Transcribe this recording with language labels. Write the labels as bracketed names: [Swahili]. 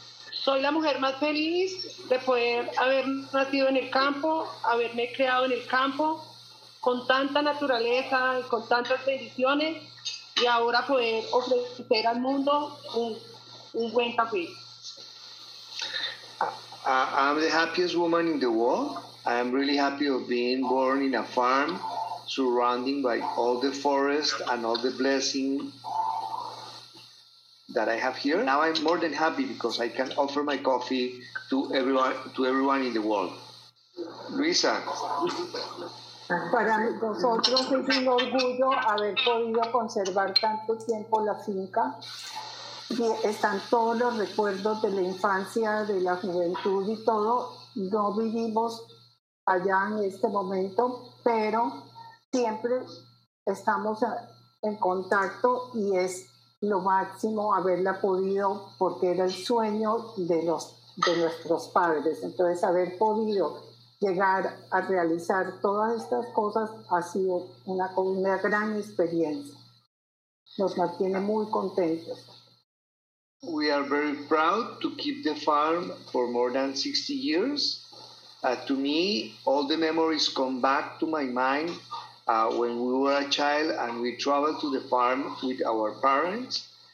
[Spanish] Soy la mujer más feliz de poder haber nacido en el campo, haberme creado en el campo, con tanta naturaleza y con tantas bendiciones, y ahora poder ofrecer al mundo un buen café. [English] I'm the happiest woman in the world. I am really happy of being born in a farm, surrounded by all the forest and all the blessing that I have here. Now I'm more than happy because I can offer my coffee to everyone in the world. Luisa. [Spanish] Para nosotros es un orgullo haber podido conservar tanto tiempo la finca. Están todos los recuerdos de la infancia, de la juventud y todo. No vivimos allá en este momento, pero siempre estamos en contacto y es lo máximo haberla podido, porque era el sueño de nuestros padres. Entonces, haber podido llegar a realizar todas estas cosas ha sido una gran experiencia. Nos mantiene muy contentos. [English] We are very proud to keep the farm for more than 60 years. To me, all the memories come back to my mind when we were a child and we traveled to the farm with our parents.